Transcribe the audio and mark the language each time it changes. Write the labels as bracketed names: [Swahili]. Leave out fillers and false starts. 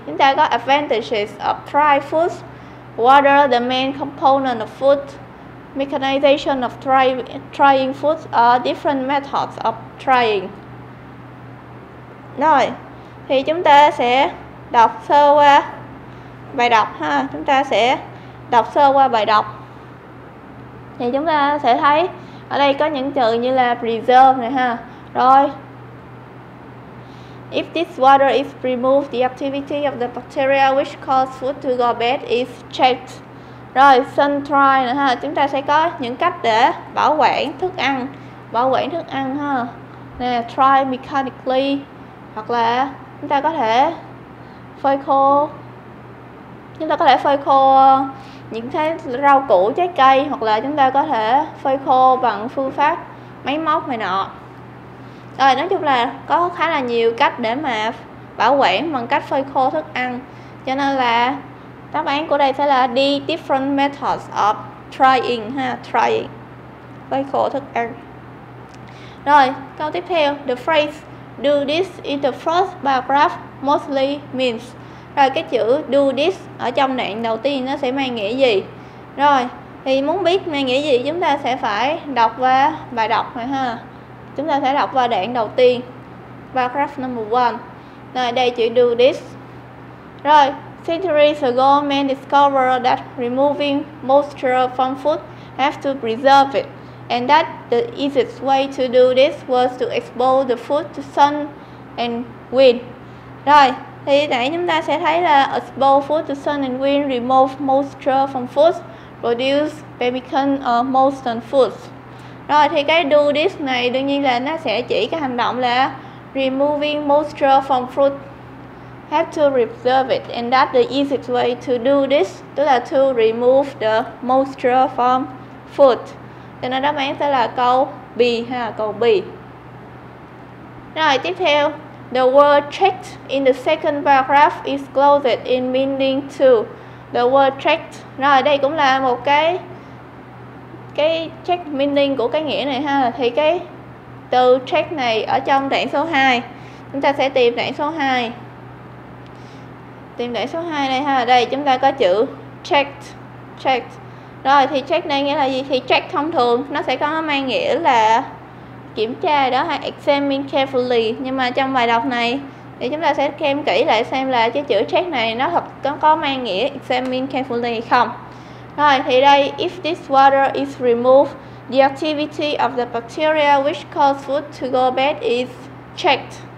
[Vietnamese] Chúng ta có [English] advantages of dry food, water the main component of food, mechanization of drying food, different methods of drying. [Vietnamese] Rồi, thì chúng ta sẽ đọc sơ qua bài đọc ha. Chúng ta sẽ đọc sơ qua bài đọc. Thì chúng ta sẽ thấy ở đây có những từ như là preserve này ha. [English] Rồi, if this water is removed, the activity of the bacteria which cause food to go bad is checked. [Vietnamese] Rồi, sun dry này ha. Chúng ta sẽ có những cách để bảo quản thức ăn. Bảo quản thức ăn ha. Nè, [English] dry mechanically. [Vietnamese] Hoặc là chúng ta có thể phơi khô. Chúng ta có thể phơi khô những cái rau củ, trái cây, hoặc là chúng ta có thể phơi khô bằng phương pháp máy móc này nọ. Rồi, nói chung là có khá là nhiều cách để mà bảo quản bằng cách phơi khô thức ăn. Cho nên là đáp án của đây sẽ là D, [English] different methods of drying [Vietnamese] ha, drying, phơi khô thức ăn. Rồi, câu tiếp theo, [English] the phrase do this in the first paragraph mostly means. [Vietnamese] Rồi, cái chữ do this ở trong đoạn đầu tiên nó sẽ mang nghĩa gì? Rồi, thì muốn biết mang nghĩa gì chúng ta sẽ phải đọc qua bài đọc này ha. Chúng ta sẽ đọc qua đoạn đầu tiên, paragraph number 1. Rồi, đây chữ do this. [English] Rồi, centuries ago men discovered that removing moisture from food have to preserve it, and that the easiest way to do this was to expose the food to sun and wind. [Vietnamese] Rồi, thì nãy chúng ta sẽ thấy là [English] expose food to sun and wind, remove moisture from food, produce pemmican or moistened food. [Vietnamese] Rồi thì cái do this này đương nhiên là nó sẽ chỉ cái hành động là [English] removing moisture from food, have to preserve it, and that the easiest way to do this, [Vietnamese] tức là [English] to remove the moisture from food. [Vietnamese] Cho nên đáp án sẽ là câu B ha, câu B. Rồi, tiếp theo. [English] The word checked in the second paragraph is closed in meaning to. The word checked. [Vietnamese] Rồi, đây cũng là một cái check meaning của cái nghĩa này ha. Thì cái từ check này ở trong đoạn số 2. Chúng ta sẽ tìm đoạn số 2. Tìm đoạn số 2 này ha. Đây chúng ta có chữ checked. Checked. Rồi thì check này nghĩa là gì? Thì check thông thường nó sẽ có mang nghĩa là kiểm tra đó, hay examine carefully. Nhưng mà trong bài đọc này thì chúng ta sẽ xem kỹ lại xem là cái chữ check này nó thật có mang nghĩa examine carefully không. Rồi thì đây, [English] if this water is removed, the activity of the bacteria which cause food to go bad is checked.